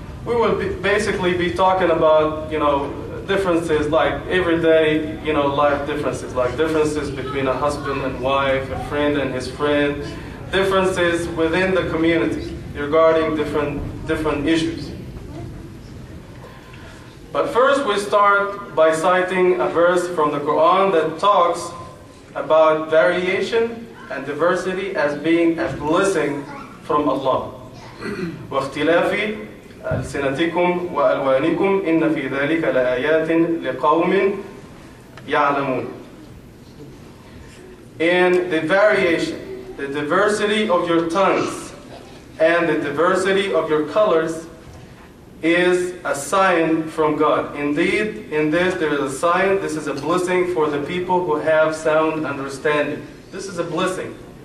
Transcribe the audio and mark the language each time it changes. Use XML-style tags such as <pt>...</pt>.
<en>we will basically be talking about, you know, differences like everyday, you know, life differences, like differences between a husband and wife, a friend and his friend, differences within the community regarding different issues. But first we start by citing a verse from the Quran that talks about variation and diversity as being a blessing from Allah.</en> <ar>واختلافي ألسنتكم وألوانكم إن في ذلك لآيات لقوم يعلمون.</ar> <en>In the variation, the diversity of your tongues and the diversity of your colors is a sign from God. Indeed, in this there is a sign, this is a blessing for the people who have sound understanding. This is a blessing.</en>